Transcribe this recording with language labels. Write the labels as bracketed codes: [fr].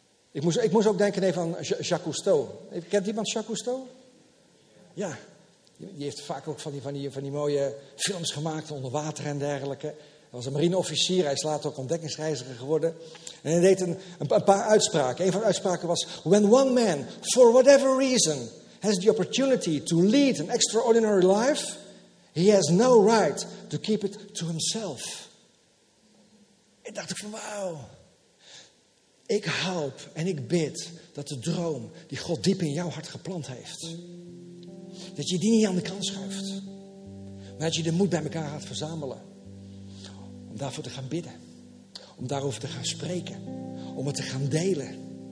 [nl] Ik moest ook denken even aan Jacques Cousteau. Kent iemand Jacques Cousteau? Ja. Die heeft vaak ook van die mooie films gemaakt onder water en dergelijke. Hij was een marineofficier. Hij is later ook ontdekkingsreiziger geworden. En hij deed een paar uitspraken. Een van de uitspraken was: [en] when one man, for whatever reason, has the opportunity to lead an extraordinary life, he has no right to keep it to himself. [nl] Ik dacht van wauw. Ik hoop en ik bid dat de droom die God diep in jouw hart geplant heeft, dat je die niet aan de kant schuift. Maar dat je de moed bij elkaar gaat verzamelen. Om daarvoor te gaan bidden. Om daarover te gaan spreken. Om het te gaan delen.